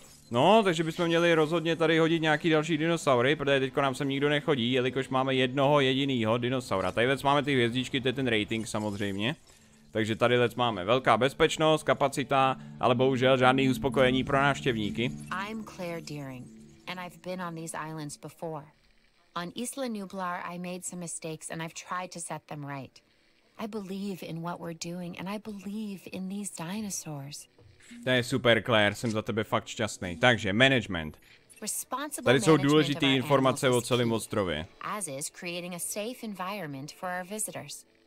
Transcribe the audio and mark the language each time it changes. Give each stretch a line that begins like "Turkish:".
Czech: No, takže bychom měli rozhodně tady hodit nějaký další dinosaury, protože teďko nám sem nikdo nechodí, jelikož máme jednoho jedinýho dinosaura. Tady věc máme ty hvězdičky, to je ten rating samozřejmě. Takže tady věc máme velká bezpečnost, kapacita, ale bohužel žádný uspokojení pro návštěvníky.
English: I'm Claire Deering, and I've been on these islands before. On Isla Nublar, I made some mistakes and I've tried to set them right. I believe in what we're doing and I believe in these dinosaurs.
Czech: To je super, Claire, jsem za tebe fakt šťastný. Takže, management. Tady jsou důležité informace o celém ostrově.
English: As is creating a safe environment for our visitors.